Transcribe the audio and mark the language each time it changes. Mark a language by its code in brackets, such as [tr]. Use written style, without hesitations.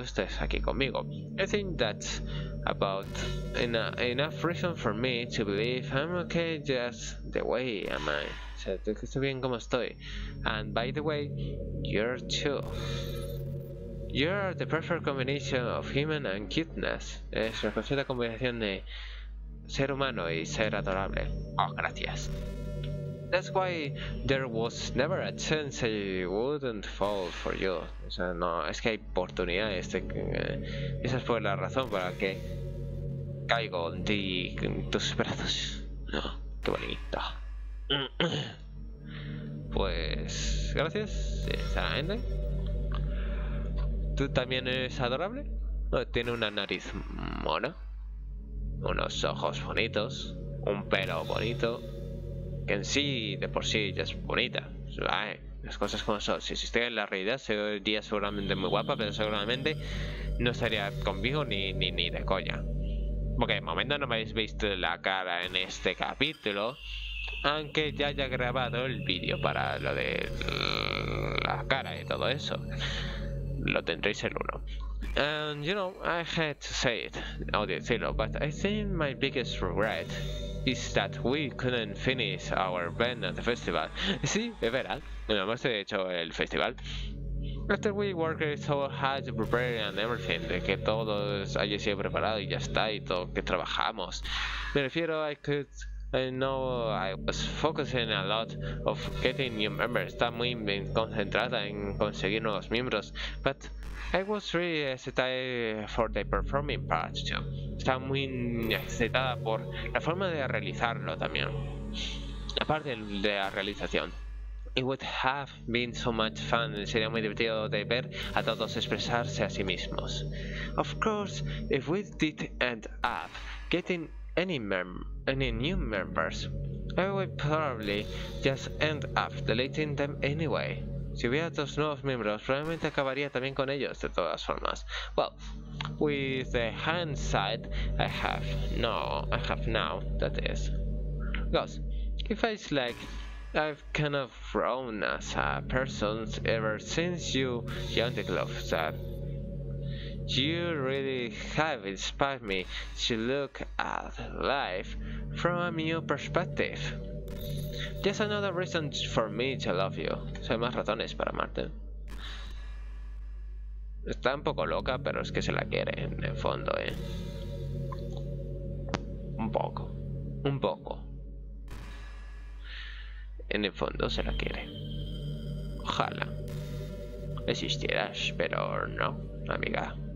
[es] Estás aquí conmigo. [en] I think that's about enough reason for me to believe I'm okay just the way am I. [es] O sea, estoy bien como estoy. [en] And by the way, you're too. You're the perfect combination of human and cuteness. [es] Es la perfecta combinación de ser humano y ser adorable. Oh, gracias. [en] That's why there was never a chance I wouldn't fall for you. [es] O sea, no, es que hay oportunidades. Esa fue la razón para que caigo en ti, en tus brazos. Oh, qué bonito. Pues, gracias, sinceramente. ¿Tú también eres adorable? Tiene una nariz mona, unos ojos bonitos, un pelo bonito, que en sí, de por sí, ya es bonita. Ay, las cosas como son. Si existiera en la realidad, sería seguramente muy guapa, pero seguramente no estaría conmigo ni de coña. Porque de momento no me habéis visto la cara en este capítulo, aunque ya haya grabado el vídeo para lo de la cara y todo eso. Lo tendréis el 1. [en] And you know, I hate to say it, Odiozilo, but I think my biggest regret is that we couldn't finish our band at the festival. [es] Sí, es verdad, no hemos hecho el festival. [en] After we worked so hard to prepare and everything, [es] de que todo haya sido preparado y ya está, y todo que trabajamos. Me refiero, [en] I know I was focusing a lot of getting new members. [es] Estaba muy bien concentrada en conseguir nuevos miembros, [en] but I was really excited for the performing part too. [es] Estaba muy excitada por la forma de realizarlo también. Aparte de la realización. [en] It would have been so much fun. [es] Sería muy divertido de ver a todos expresarse a sí mismos. [en] Of course, if we did end up getting any new members, I would probably just end up deleting them anyway. [es] Si hubiera dos nuevos miembros, probablemente acabaría también con ellos de todas formas. [en] Well, with the hindsight I have now, that is. Because it feels like I've kind of grown as a person ever since you joined the club, that you really have inspired me to look at life from a new perspective. Just another reason for me to love you. [es] Soy más razones para amarte. Está un poco loca, pero es que se la quiere en el fondo, ¿eh? Un poco. En el fondo se la quiere. Ojalá existieras, pero no, amiga.